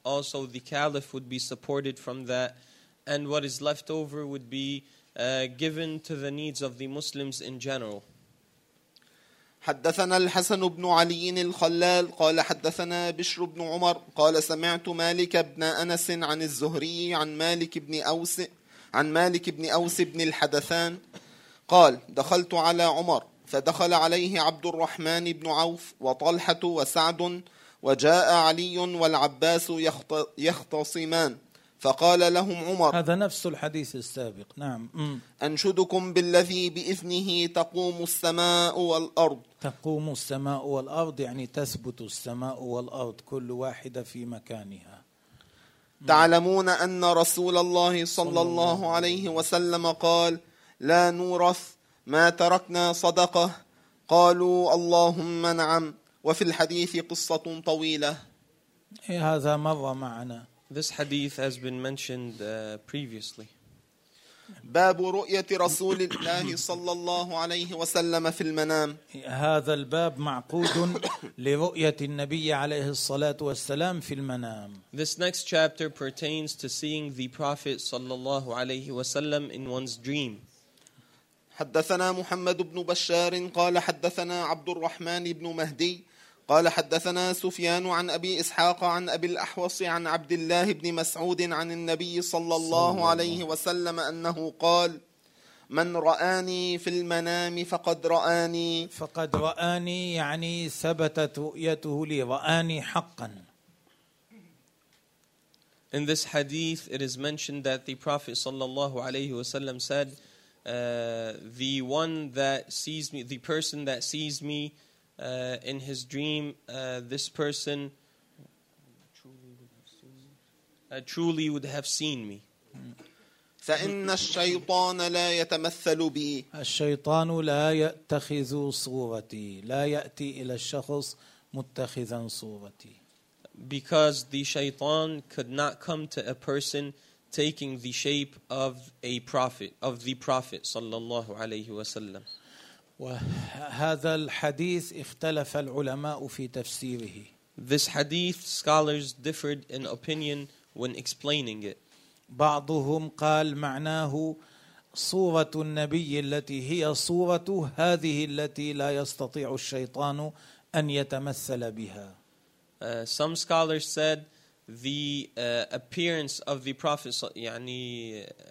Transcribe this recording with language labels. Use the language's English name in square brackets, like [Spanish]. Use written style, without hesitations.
[English] Also, the caliph would be supported from that. And what is left over would be given to the needs of the Muslims in general. [Arabic] حدثنا الحسن بن علي الخلال قال حدثنا بشر بن عمر قال سمعت مالك بن أنس عن الزهري عن مالك بن أوس عن مالك بن أوس بن الحدثان قال دخلت على عمر فدخل عليه عبد الرحمن بن عوف وطلحة وسعد وجاء علي والعباس يختصمان فقال لهم عمر هذا نفس الحديث السابق نعم أنشدكم بالذي بإذنه تقوم السماء والأرض تقوم السماء والأرض يعني تثبت السماء والأرض كل واحدة في مكانها تعلمون أن رسول الله صلى الله عليه وسلم قال لا نورث ما تركنا صدقة قالوا اللهم نعم وفي الحديث قصة طويلة هذا مر معنا. [English] This hadith has been mentioned previously. [Arabic] باب رؤية رسول الله صلى الله عليه وسلم في المنام. هذا الباب معقود لرؤية النبي عليه الصلاة والسلام في المنام. [English] This next chapter pertains to seeing the Prophet [Arabic] صلى الله عليه وسلم [English] in one's dream. [Arabic] حدثنا محمد بن بشار قال حدثنا عبد الرحمن بن مهدي قال حدثنا سفيان عن أبي إسحاق عن أبي الأحوص عن عبد الله بن مسعود عن النبي صلى الله عليه وسلم أنه قال من رآني في المنام فقد رآني فقد رآني يعني ثبتت رؤيته لي رآني حقا. [English] In this hadith it is mentioned that the Prophet [Arabic] صلى الله عليه وسلم [English] said the one that sees me, the person that sees me in his dream, this person truly would have seen me. [Arabic] فإن الشيطان لا يتمثل بي. الشيطان لا يتخذ صورتي. لا يأتي إلى الشخص متخذا صورتي. [English] Because the shaitan could not come to a person taking the shape of a prophet, of the Prophet صلى الله عليه وسلم. [Arabic] وهذا الحديث اختلف العلماء في تفسيره. [English] This hadith scholars differed in opinion when explaining it. [Arabic] بعضهم قال معناه صورة النبي التي هي صورته هذه التي لا يستطيع الشيطان أن يتمثل بها. [English] Some scholars said the appearance of the prophet [Arabic] يعني